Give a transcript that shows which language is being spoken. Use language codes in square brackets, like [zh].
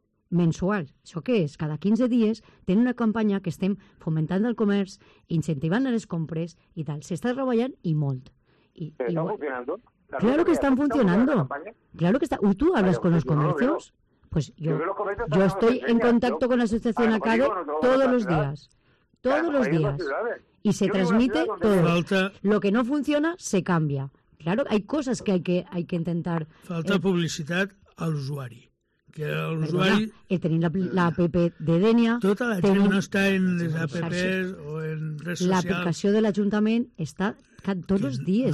[ca] Això què és? Cada 15 dies tenen una campanya que estem fomentant el comerç, incentivant les compres i tal. S'està treballant i molt. Està funcionant? [es] Claro que están funcionando. Claro que está. ¿Tú hablas con los comercios? Pues yo estoy en contacto con la Asociación Acade todos los días. Todos los días. Y se transmite todo. Lo que no funciona, se cambia. Claro, hay cosas que hay que intentar. Falta publicidad al usuario. [ca] Que el usuari... Perdona, tenim la app de Dénia... Tota la gent no està en les apps o en res social... L'aplicació de l'Ajuntament està tots els dies...